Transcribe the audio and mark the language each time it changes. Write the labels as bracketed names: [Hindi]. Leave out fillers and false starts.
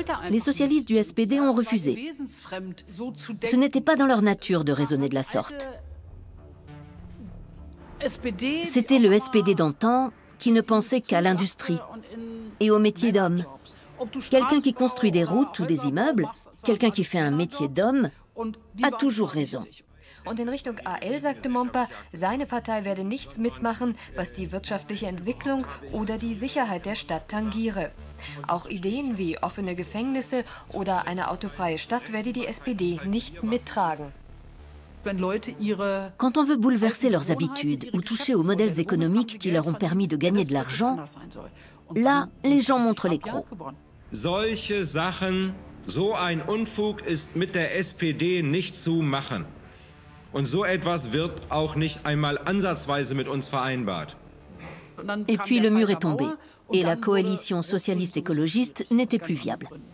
[French] Les socialistes du SPD ont refusé. Ce n'était pas dans leur nature de raisonner de la sorte. C'était le SPD d'antan qui ne pensait qu'à l'industrie et au métier d'homme. Quelqu'un qui construit des routes ou des immeubles, quelqu'un qui fait un métier d'homme, a toujours raison. [German] Und in Richtung AL sagte Momper, seine Partei werde nichts mitmachen, was die wirtschaftliche Entwicklung oder die Sicherheit der Stadt tangiere. Auch Ideen wie offene Gefängnisse oder eine autofreie Stadt werde die SPD nicht mittragen. [French] Quand on veut bouleverser leurs habitudes ou toucher aux modèles économiques qui leur ont permis de gagner de l'argent, là, les gens montrent les crocs. [German] Solche Sachen, so ein Unfug ist mit der SPD nicht zu machen. Und so etwas wird auch nicht einmal ansatzweise mit uns vereinbart. [French] Et puis le mur est tombé et la coalition socialiste écologiste n'était plus viable.